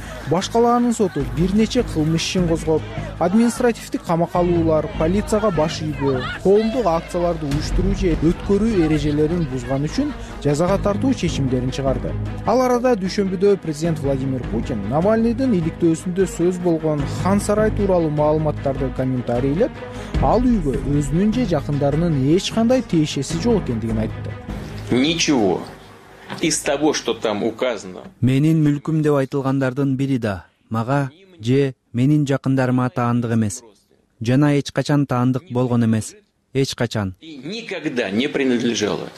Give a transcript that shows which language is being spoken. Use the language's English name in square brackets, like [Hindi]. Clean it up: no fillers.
[Kyrgyz] Баш калаанын соту бир нече кылмыш ишин козгоп, административдик камакка алуулар, полицияга баш ийүү, коомдук акцияларды уюштуруу же өткөрүү эрежелерин бузган үчүн жазага тартуу чечимдерин чыгарды. Ал арада дүйшөмбүдө президент Владимир Путин Навальныйдын иликтөөсүндө сөз болгон Хан Сарай тууралуу маалыматтарды комментарийлеп, ал үйгө өзүнүн же жакындарынын эч кандай тиешеси жок экендигин айтты. [Russian] Ничего из того, что там указано. [Kyrgyz] Менин мүлкүм деп айтылгандардын бири да мага же менин жакындарыма таандык эмес. Жана эч качан таандык болгон эмес. Эч качан. [Russian] Никогда не принадлежало.